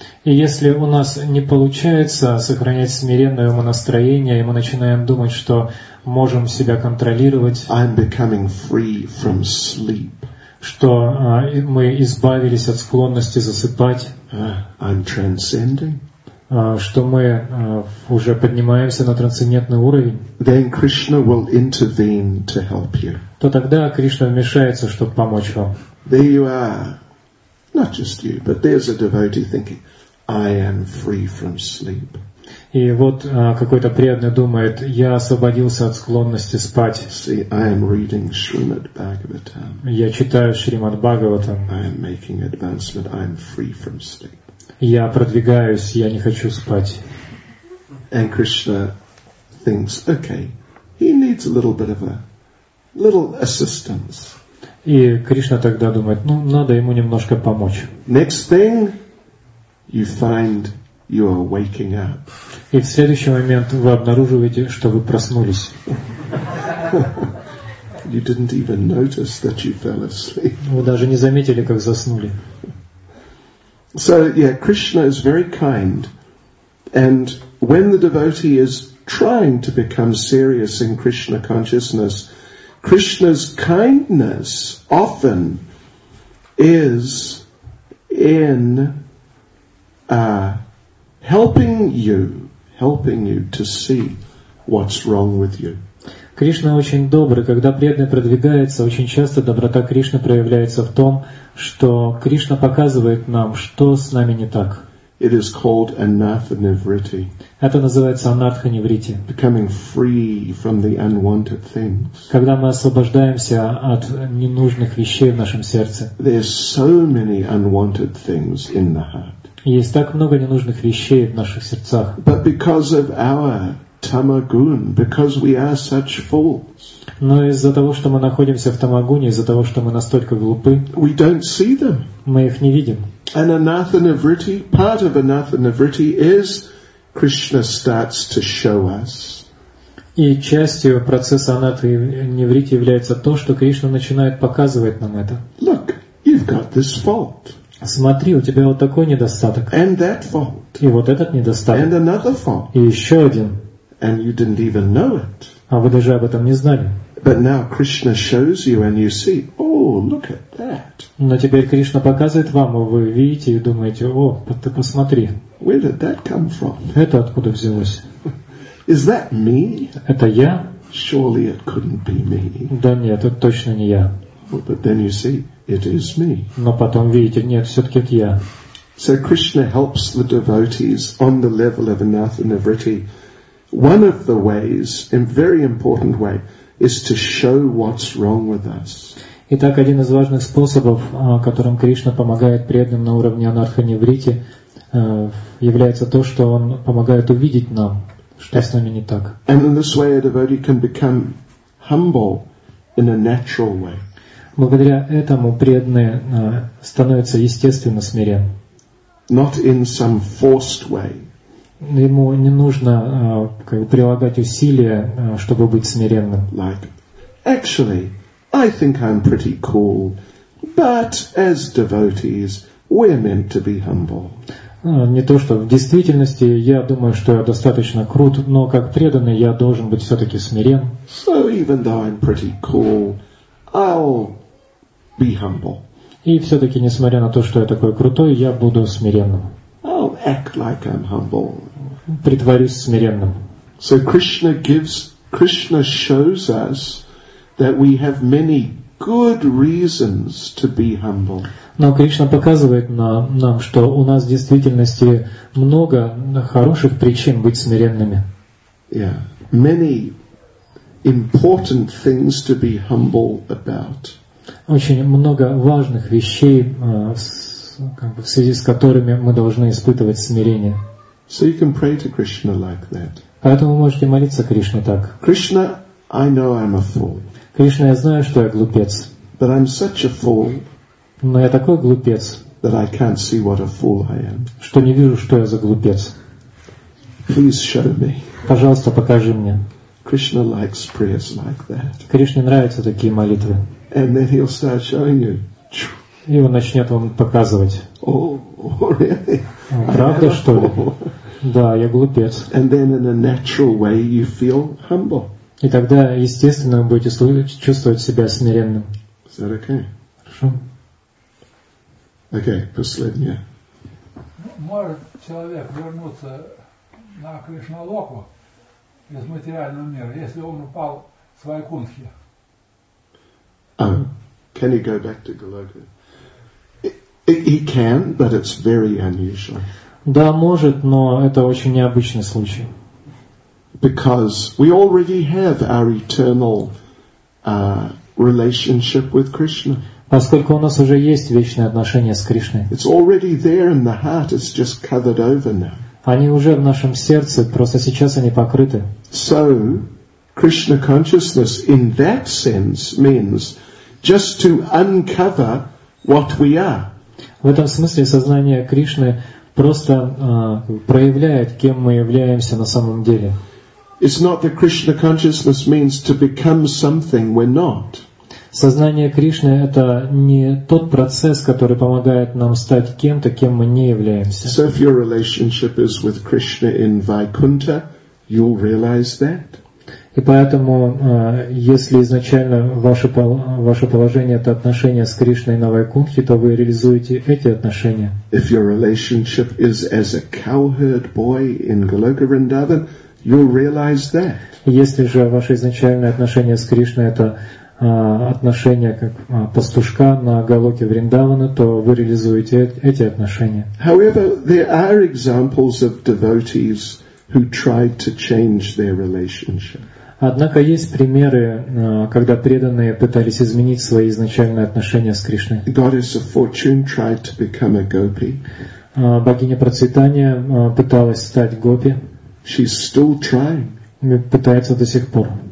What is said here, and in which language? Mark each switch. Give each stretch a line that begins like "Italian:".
Russian: И если у нас не получается сохранять смиренное умонастроение, и мы начинаем думать, что можем себя контролировать,
English: I'm becoming free from sleep.
Russian: Что мы избавились от склонности засыпать,
English: I'm transcending.
Russian: Что мы уже поднимаемся на трансцендентный уровень,
English: then Krishna will intervene to help you.
Russian: То тогда Кришна вмешается, чтобы помочь вам.
English: There you are, not just you, but there's a devotee thinking, I am free from sleep.
Russian: И вот какой-то преданный думает, я освободился от склонности спать.
English: See, I am reading Srimad Bhagavatam.
Russian: Я читаю Шримад Бхагаватам.
English: I am making advancement, I am free from sleep.
Russian: Я продвигаюсь, я не хочу спать.
English: And Krishna thinks, okay, he needs a little bit of a little assistance.
Russian: И Кришна тогда думает, ну, надо ему немножко помочь.
English: Next thing, you find you are waking up.
Russian: И в следующий момент вы обнаруживаете, что вы проснулись.
English: You didn't even notice that you fell asleep.
Russian: Вы даже не заметили, как заснули.
English: So, yeah, Krishna is very kind. And when the devotee is trying to become serious in Krishna consciousness, Krishna's kindness often is in helping you to see what's wrong with you.
Russian: Кришна очень добр, когда преданный продвигается, очень часто доброта Кришны проявляется в том, что Кришна показывает нам, что с нами не так.
English: It is called anatha-nivritti.
Russian: Это называется анатха-нивритти.
English: Becoming free from the unwanted things.
Russian: Когда мы освобождаемся от ненужных вещей в нашем сердце.
English: There's so many unwanted things in the heart.
Russian: Есть так много ненужных вещей в наших сердцах.
English: But because of our tamagun, because we are such fools.
Russian: Но из-за того, что мы находимся в тамагуне, из-за того, что мы настолько глупы,
English: we don't see them.
Russian: Мы их не видим.
English: And anatha-nivritti, part of anatha-nivritti is Krishna starts to show us.
Russian: И частью процесса анатха-нивритти является то, что Кришна начинает показывать нам это.
English: Look, you've got this fault.
Russian: Смотри, у тебя вот такой недостаток.
English: And that fault.
Russian: И вот этот недостаток.
English: And another fault.
Russian: И еще один.
English: And you didn't even know it.
Russian: А вы даже об этом не знали.
English: But now Krishna shows you and you see, oh, look at that.
Russian: Но теперь Кришна показывает вам, и вы видите и думаете, о, ты посмотри.
English: Where did that come from?
Russian: Это откуда взялось?
English: Is that me?
Russian: Это я?
English: Surely it couldn't be me.
Russian: Да нет, это точно не я.
English: But then you see, it is me.
Russian: Но потом видите, нет, все-таки это я.
English: So Krishna helps the devotees on the level of anatha-nivritti. One of the ways, a very important way, is to show what's wrong with us.
Russian: Итак, один из важных способов, которым Кришна помогает преданным на уровне анатха-нивритти, является то, что он помогает увидеть нам, что с нами не так.
English: And in this way, a devotee can become humble in a natural way.
Russian: Благодаря этому преданный становится естественно смирен.
English: Not in some forced way.
Russian: Ему не нужно прилагать усилия, чтобы быть смиренным.
English: Like, actually, I think I'm pretty cool. But as devotees, we're meant to be humble.
Russian: Не то, что в действительности я думаю, что я достаточно крут, но как преданный я должен быть все-таки смирен.
English: So even though I'm pretty cool, I'll be humble.
Russian: И все-таки, несмотря на то, что я такой крутой, я буду смиренным.
English: I'll act like I'm humble.
Russian: Притворюсь смиренным.
English: So Krishna shows us that we have many good reasons to be humble.
Russian: Но Кришна показывает нам, что у нас в действительности много хороших причин быть смиренными.
English: Yeah. Many important things to be humble about.
Russian: Очень много важных вещей, как бы в связи с которыми мы должны испытывать смирение.
English: So you can pray to Krishna like that.
Russian: Поэтому вы можете молиться Кришне так.
English: Krishna, I know I'm a fool.
Russian: Кришна, я знаю, что я глупец.
English: But I'm such a fool.
Russian: Но я такой глупец,
English: that I can't see what a fool I am.
Russian: Что не вижу, что я за глупец.
English: Please show me.
Russian: Пожалуйста, покажи мне.
English: Krishna likes prayers like that.
Russian: Кришне нравятся такие молитвы.
English: And then he'll start showing you.
Russian: И он начнет вам показывать.
English: Oh, really?
Russian: Правда, что ли? Да, я глупец.
English: And then in a natural way you feel humble.
Russian: И тогда, естественно, вы будете чувствовать себя смиренным.
English: Is that okay?
Russian: Хорошо. Окей, последнее. Может человек вернуться на Кришналоку из материального мира, если он упал с Вайкунтхи?
English: Can he go back to Голока? He can, but it's very unusual.
Russian: Да, может, но это очень необычный случай.
English: Because we already have our eternal relationship with Krishna.
Russian: Поскольку у нас уже есть вечные отношения с Кришной.
English: It's already there in the heart, it's just covered over now.
Russian: Они уже в нашем сердце, просто сейчас они покрыты.
English: So, Krishna consciousness in that sense means just to uncover what we are.
Russian: В этом смысле сознание Кришны просто проявляет, кем мы являемся на самом деле.
English: It's not that Krishna consciousness means to become something we're not.
Russian: Сознание Кришны — это не тот процесс, который помогает нам стать кем-то, кем мы не являемся.
English: So if your relationship is with Krishna in Vaikuntha, you'll realize that.
Russian: И поэтому, если изначально ваше положение — это отношения с Кришной на Вайкунтхе, то вы реализуете эти отношения.
English: If your relationship is as a cowherd boy in Goloka Vrindavan, you'll realize that.
Russian: Если же ваше изначальное отношение с Кришной — это отношения как пастушка на Голоке Вриндавана, то вы реализуете эти отношения.
English: However, there are examples of devotees who tried to change their relationship.
Russian: Однако есть примеры, когда преданные пытались изменить свои изначальные отношения с Кришной.
English: Goddess of Fortune tried to become a gopi.
Russian: Богиня Процветания пыталась стать гопи.
English: She's still trying.
Russian: Пытается до сих пор.